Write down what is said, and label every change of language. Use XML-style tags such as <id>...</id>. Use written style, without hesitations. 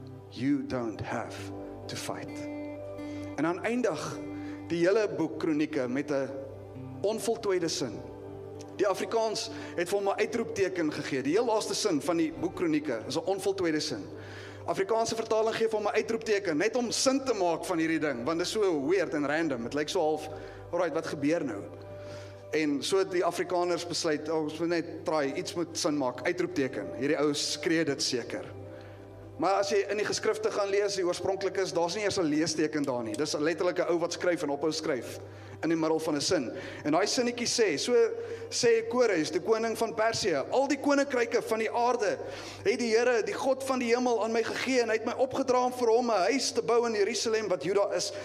<en>You don't have to fight.</en> <af>En dan eindig die hele boek Kronieke met 'n onvoltooide sin. Die Afrikaans het vir hom 'n uitroepteken gegee. Die heel laaste sin van die boek Kronieke is 'n onvoltooide sin. Afrikaanse vertaling gee vir hom 'n uitroepteken net om sin te maak van hierdie ding, want dit is so weird en random. Dit lyk so half, alright, wat gebeur nou? En so het die Afrikaners besluit, ons moet net try, iets moet sin maak, uitroepteken. Hierdie ou skree dit seker. Maar as jy in die geskrifte gaan lees, die oorspronklik is, daar's nie eers 'n leesteken daar nie. Dis letterlik 'n ou wat skryf en ophou skryf in die middel van 'n sin. En daai sinnetjie sê, so sê Kores, die koning van Persië, al die koninkryke van die aarde het die Here, die God van die hemel aan my gegee en hy het my opgedra om vir hom 'n huis te bou in Jerusalem wat Juda is.</af>